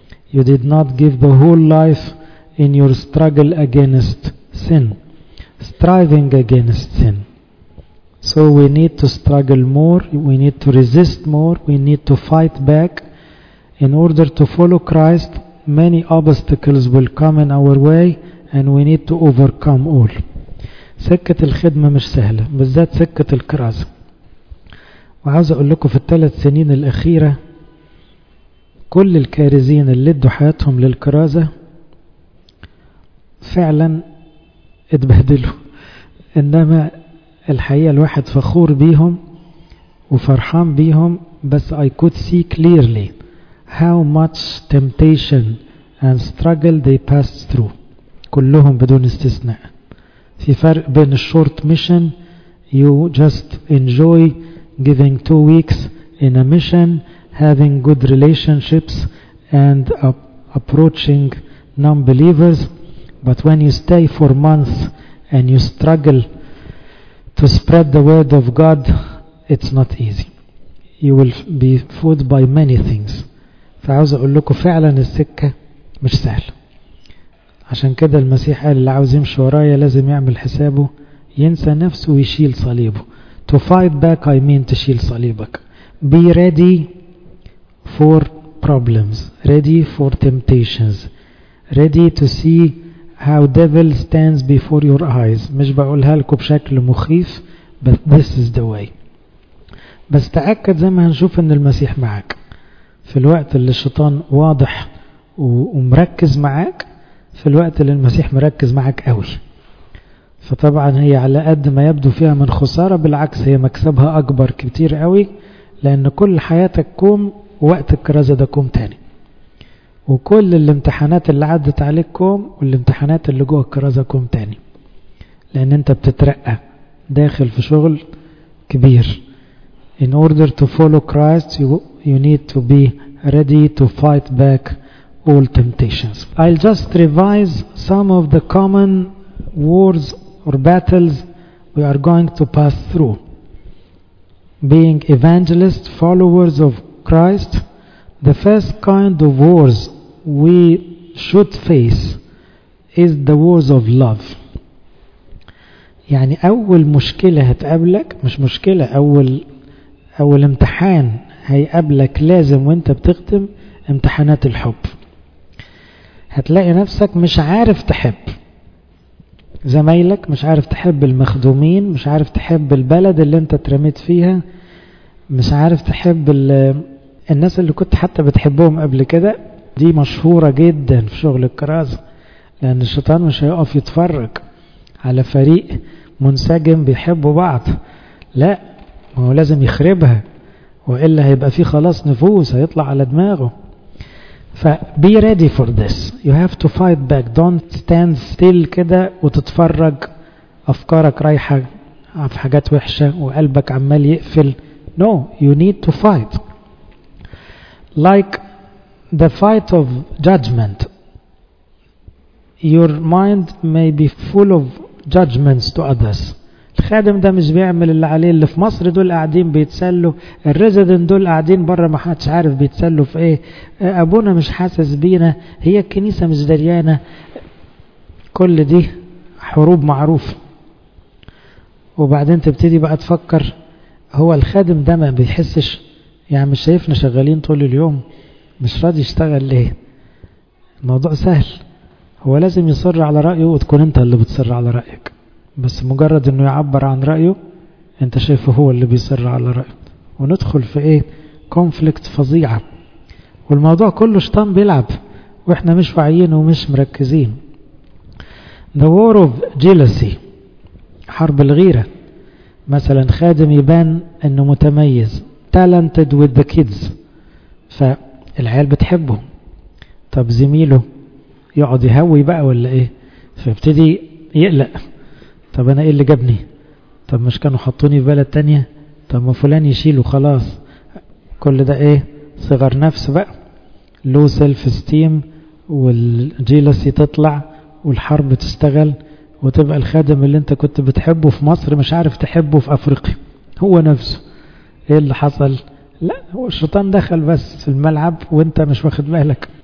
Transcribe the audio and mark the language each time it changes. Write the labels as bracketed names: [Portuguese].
[English] You did not give the whole life in your struggle against sin, striving against sin. So we need to struggle more, we need to resist more, we need to fight back. In order to follow Christ, many obstacles will come in our way and we need to overcome all. [Arabic] سكة الخدمة مش سهلة, بالذات سكة الكرازة. وعاوز أقول لكم في الثلاث سنين الأخيرة كل الكارزين اللي ادوا حياتهم للكرازة فعلا اتبهدلوا, انما الحقيقة الواحد فخور بيهم وفرحان بيهم. بس [English] I could see clearly how much temptation and struggle they passed through, [Arabic] كلهم بدون استثناء. في فرق بين [English] short mission, you just enjoy giving 2 weeks in a mission, having good relationships and approaching non-believers. But when you stay for months and you struggle to spread the word of God, it's not easy. You will be fooled by many things. [Arabic] فعاوز اقول لكم فعلا السكة مش سهلة. عشان كده المسيح قال اللي عاوز يمشي ورايا لازم يعمل حسابه, ينسى نفسه ويشيل صليبه. [English] To fight back, I mean [Arabic] تشيل صليبك. [English] Be ready for problems, ready for temptations, ready to see how devil stands before your eyes. [Arabic] مش بقولها لكم بشكل مخيف, [English] but this is the way. [Arabic] بس تأكد زي ما هنشوف ان المسيح معك في الوقت اللي الشيطان واضح ومركز معك, في الوقت اللي المسيح مركز معك قوي. فطبعا هي على قد ما يبدو فيها من خسارة, بالعكس هي مكسبها اكبر كتير قوي, لان كل حياتك كوم وقت الكرازة ده كوم تاني. وكل الامتحانات اللي عدت عليك كوم, والامتحانات اللي جوه الكرازة كوم تاني, لان انت بتترقى داخل في شغل كبير. [English] In order to follow Christ you need to be ready to fight back all temptations. I'll just revise some of the common wars or battles we are going to pass through. Being evangelists, followers of Christ, the first kind of wars we should face is the wars of love. [Arabic] يعني أول مشكلة هتقابلك, مش مشكلة, أول امتحان هيقابلك لازم وانت بتخدم, امتحانات الحب. هتلاقي نفسك مش عارف تحب زمايلك, مش عارف تحب المخدومين, مش عارف تحب البلد اللي انت ترميت فيها, مش عارف تحب الناس اللي كنت حتى بتحبهم قبل كده. دي مشهورة جدا في شغل الكرازة, لان الشيطان مش هيقف يتفرج على فريق منسجم بيحبوا بعض, لا, هو لازم يخربها, وإلا هيبقى فيه خلاص نفوس هيطلع على دماغه. [English] ف be ready for this. You have to fight back. Don't stand still [Arabic] كده وتتفرج أفكارك رايحة في حاجات وحشة وقلبك عمال يقفل. [English] No, you need to fight. Like the fight of judgment. Your mind may be full of judgments to others. [Arabic] الخادم ده مش بيعمل اللي عليه, اللي في مصر دول قاعدين بيتسلوا, الريزيدنت دول قاعدين بره ما حدش عارف بيتسلوا في ايه, ابونا مش حاسس بينا, هي الكنيسه مش دريانه, كل دي حروب معروفه. وبعدين تبتدي بقى تفكر, هو الخادم ده ما بيحسش, يعني مش شايفنا شغالين طول اليوم, مش راضي يشتغل ليه؟ الموضوع سهل, هو لازم يصر على رايه وتكون انت اللي بتصر على رايك, بس مجرد انه يعبر عن رايه انت شايفه هو اللي بيصر على رايه, وندخل في ايه, كونفليكت فظيعه, والموضوع كله شيطان بيلعب واحنا مش واعيين ومش مركزين. [English] The war of jealousy, [Arabic] حرب الغيره. مثلا خادم يبان انه متميز, [English] talented with the kids, [Arabic] فالعيال بتحبه, طب زميله يقعد يهوي بقى ولا ايه, فيبتدي يقلق, طب انا ايه اللي جابني, طب مش كانوا حطوني في بلد تانية, طب ما فلان يشيله خلاص, كل ده ايه, صغر نفسه بقى, [English] low self esteem, [Arabic] والجيلسي تطلع والحرب تشتغل, وتبقى الخادم اللي انت كنت بتحبه في مصر مش عارف تحبه في افريقيا, هو نفسه ايه اللي حصل, لا هو الشيطان دخل بس في الملعب وانت مش واخد بالك.